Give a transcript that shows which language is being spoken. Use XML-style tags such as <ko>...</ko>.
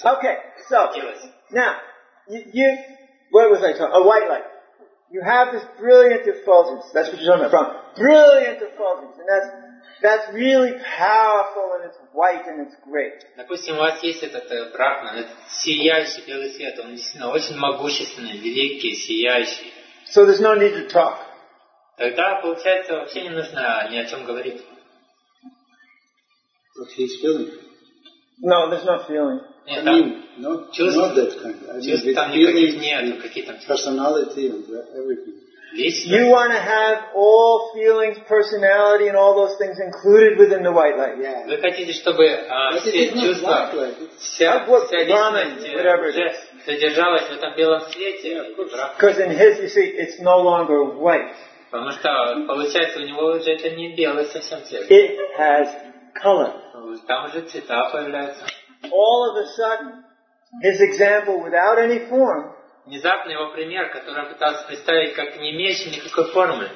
<en>Okay, so, now, you, what was I talking about? A white light. You have this brilliant effulgence. That's what you're talking about. Brilliant effulgence. And that's really powerful and it's white and it's great.</en> <ru>Допустим, у вас есть этот брахман, этот сияющий белый свет. Он действительно очень могущественный, великий, сияющий.</ru> <en>So there's no need to talk.</en> <ru>Тогда, получается, вообще не нужно ни о чем говорить.</ru> <en>But he's feeling. No, there's no feeling. Yeah, I mean, not that kind. Personality and everything. You want to have all feelings, personality, and all those things included within the white light. Yeah.</en> <ru>Вы хотите, чтобы все чувства, вся личность,</ru> <en>whatever it is,</en> <ru>содержалась в этом белом свете?</ru> <en>Because in his, you see, it's no longer white.</en> <ru>Потому что получается у него уже это не белый совсем цвет.</ru> <en>It has color.</en> <ru>Там уже цвета появляются.</ru> <en>All of a sudden, his example without any form.</en> <ru>Внезапно его пример, который я пытался представить, как не имеющий никакой формы.</ru>